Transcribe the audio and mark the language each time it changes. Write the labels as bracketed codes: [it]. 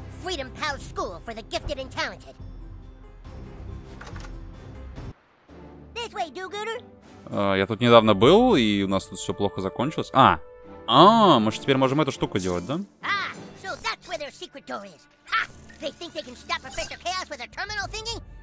[en] Freedom Pal School for the gifted and talented. This way, do-gooder. [ru] Я тут недавно был, и у нас тут все плохо закончилось. А! А, мы же теперь можем эту штуку делать, да? [en] Ah, so that's where their secret door is. Ha! They think they can stop Professor Chaos with a terminal thingy?